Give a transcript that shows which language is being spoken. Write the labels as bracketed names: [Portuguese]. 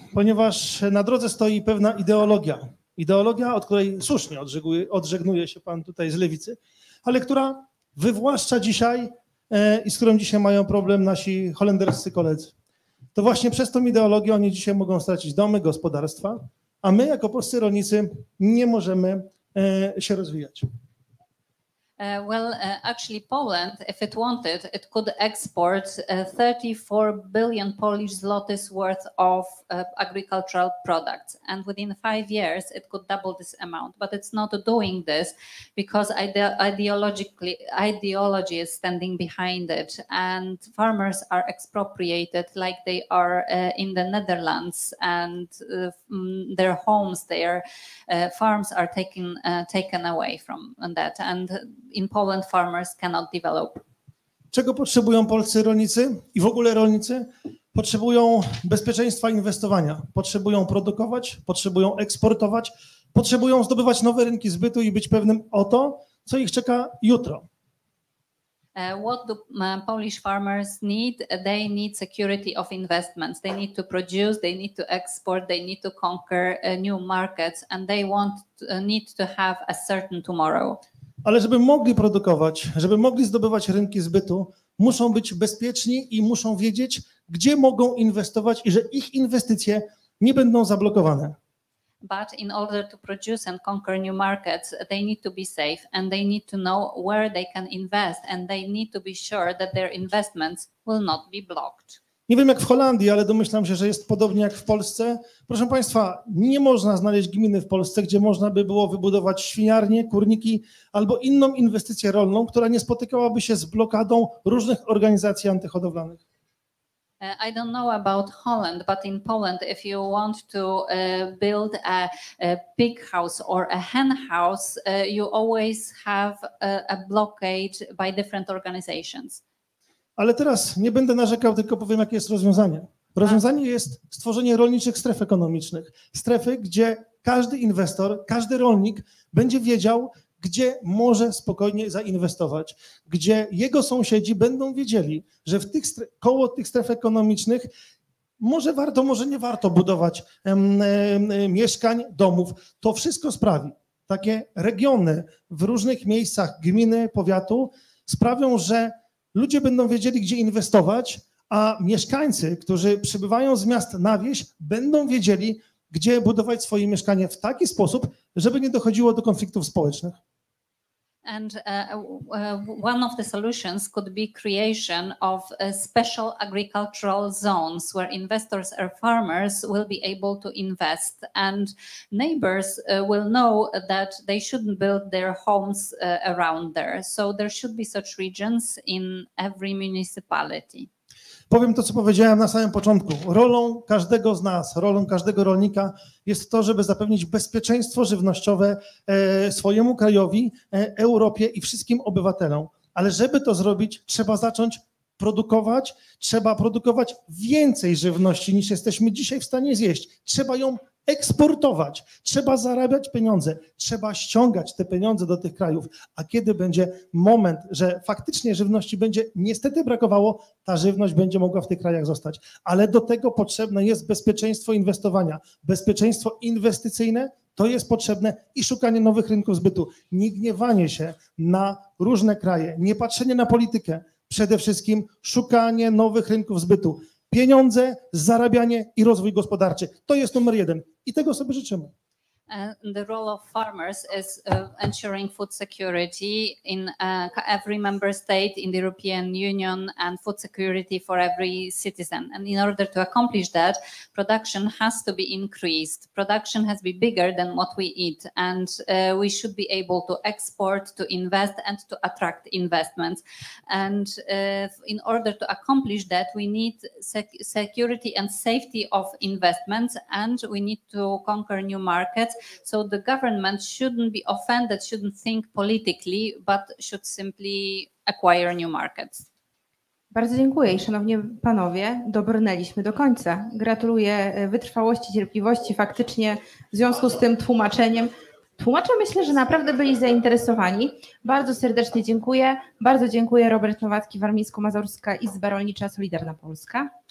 [Polish] Ponieważ na drodze stoi pewna ideologia. Ideologia, od której słusznie odżegnuje się pan tutaj z lewicy, ale która wywłaszcza dzisiaj i z którą dzisiaj mają problem nasi holenderscy koledzy. To właśnie przez tą ideologię oni dzisiaj mogą stracić domy, gospodarstwa, a my jako polscy rolnicy nie możemy się rozwijać. [English] Actually Poland, if it wanted, it could export 34 billion Polish zlotys worth of agricultural products. And within 5 years, it could double this amount. But it's not doing this because ideology is standing behind it. And farmers are expropriated like they are in the Netherlands and their homes, their farms are taken away from that. And in Poland farmers cannot develop. [Polish] Czego potrzebują polscy rolnicy i w ogóle rolnicy? Potrzebują bezpieczeństwa inwestowania, potrzebują produkować, potrzebują eksportować, potrzebują zdobywać nowe rynki zbytu i być pewnym o to, co ich czeka jutro. [English] What do Polish farmers need? They need security of investments. They need to produce, they need to export, they need to conquer new markets and they want need to have a certain tomorrow. [Polish] Ale żeby mogli produkować, żeby mogli zdobywać rynki zbytu, muszą być bezpieczni i muszą wiedzieć, gdzie mogą inwestować i że ich inwestycje nie będą zablokowane. [English] But in order to produce and conquer new markets, they need to be safe and they need to know where they can invest and they need to be sure that their investments will not be blocked. [Polish] Nie wiem jak w Holandii, ale domyślam się, że jest podobnie jak w Polsce. Proszę Państwa, nie można znaleźć gminy w Polsce, gdzie można by było wybudować świniarnie, kurniki albo inną inwestycję rolną, która nie spotykałaby się z blokadą różnych organizacji antyhodowlanych. [English] I don't know about Holland, but in Poland, if you want to build a pig house or a hen house, you always have a blockade by different organizations. [Polish] Ale teraz nie będę narzekał, tylko powiem, jakie jest rozwiązanie. Rozwiązanie jest stworzenie rolniczych stref ekonomicznych. Strefy, gdzie każdy inwestor, każdy rolnik będzie wiedział, gdzie może spokojnie zainwestować. Gdzie jego sąsiedzi będą wiedzieli, że koło tych stref ekonomicznych może warto, może nie warto budować mieszkań, domów. To wszystko sprawi. Takie regiony w różnych miejscach gminy, powiatu sprawią, że ludzie będą wiedzieli, gdzie inwestować, a mieszkańcy, którzy przybywają z miast na wieś, będą wiedzieli, gdzie budować swoje mieszkanie w taki sposób, żeby nie dochodziło do konfliktów społecznych. [English] And one of the solutions could be creation of special agricultural zones where investors or farmers will be able to invest, and neighbors will know that they shouldn't build their homes around there. So there should be such regions in every municipality. [Polish] Powiem to, co powiedziałem na samym początku. Rolą każdego z nas, rolą każdego rolnika jest to, żeby zapewnić bezpieczeństwo żywnościowe swojemu krajowi, Europie i wszystkim obywatelom. Ale żeby to zrobić, trzeba zacząć produkować. Trzeba produkować więcej żywności, niż jesteśmy dzisiaj w stanie zjeść. Trzeba ją eksportować. Trzeba zarabiać pieniądze. Trzeba ściągać te pieniądze do tych krajów. A kiedy będzie moment, że faktycznie żywności będzie niestety brakowało, ta żywność będzie mogła w tych krajach zostać. Ale do tego potrzebne jest bezpieczeństwo inwestowania. Bezpieczeństwo inwestycyjne to jest potrzebne i szukanie nowych rynków zbytu. Nie gniewanie się na różne kraje. Nie patrzenie na politykę. Przede wszystkim szukanie nowych rynków zbytu. Pieniądze, zarabianie i rozwój gospodarczy. To jest numer jeden i tego sobie życzymy. [English] The role of farmers is ensuring food security in every member state in the European Union and food security for every citizen. And in order to accomplish that, production has to be increased. Production has to be bigger than what we eat, and we should be able to export, to invest, and to attract investments. And in order to accomplish that, we need security and safety of investments, and we need to conquer new markets. So the government shouldn't be offended, shouldn't think politically, but should simply acquire new markets. [Polish] Bardzo dziękuję i szanowni panowie, dobrnęliśmy do końca. Gratuluję wytrwałości, cierpliwości faktycznie w związku z tym tłumaczeniem. Tłumacze myślę, że naprawdę byli zainteresowani. Bardzo serdecznie dziękuję. Bardzo dziękuję Robert Nowacki, Warmińsko-Mazurska Izba Rolnicza Solidarna Polska.